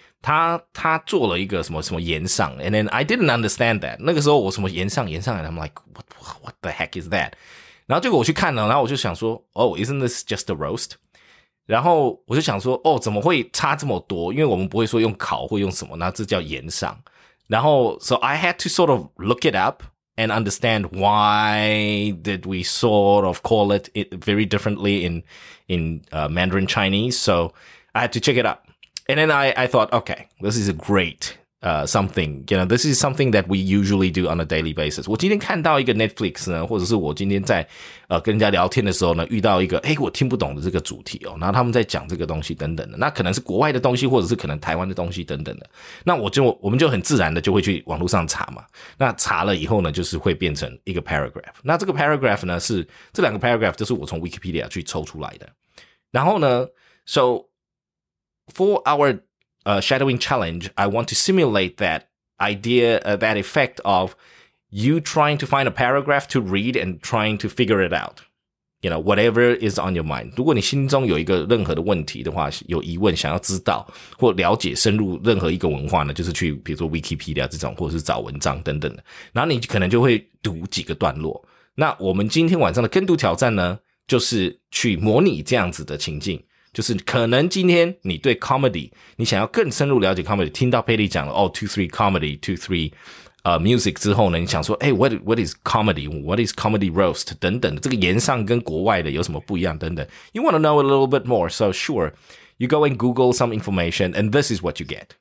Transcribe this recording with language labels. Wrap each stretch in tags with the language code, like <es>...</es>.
<zh>他做了一个什么岩上</zh> <en>and then I didn't understand that.</en> <zh>那个时候我什么岩上</zh> <en>and I'm like, what the heck is that?</en> <zh>然后结果我去看了，然后我就想说</zh> <en>oh, isn't this just a roast?</en> <zh>然后我就想说哦，怎么会差这么多，因为我们不会说用烤或用什么，那这叫盐上。</zh> <en>然后 so I had to sort of look it up and understand why did we sort of call it very differently in Mandarin Chinese. So I had to check it up. And then I thought, okay, this is a great something. You know, this is something that we usually do on a daily basis.</en> <zh>我今天看到一个 Netflix 呢，或者是我今天在跟人家聊天的时候呢，遇到一个我听不懂的这个主题哦，然后他们在讲这个东西等等的，那可能是国外的东西，或者是可能台湾的东西等等的，那我们就很自然的就会去网络上查嘛。那查了以后呢，就是会变成一个 paragraph。那这个 paragraph 呢，是这两个 paragraph 就是我从 Wikipedia 去抽出来的。</zh> <en>然后呢 ，so for our shadowing challenge, I want to simulate that idea, that effect of you trying to find a paragraph to read and trying to figure it out. You know, whatever is on your mind.</en> <zh>如果你心中有一个任何的问题的话，有疑问想要知道或了解深入任何一个文化呢，就是去比如说 Wikipedia 这种，或者是找文章等等的。然后你可能就会读几个段落。那我们今天晚上的跟读挑战呢，就是去模拟这样子的情境。就是可能今天你对 comedy 你想要更深入了解 comedy， 听到 Paddy 讲了 two three comedy two three music 之后呢，你想说</zh> <en>what is comedy what is comedy roast</en> <zh>等等的，这个言上跟国外的有什么不一样等等，</zh> <en>you want to know a little bit more， so sure you go and google some information and this is what you get.</en>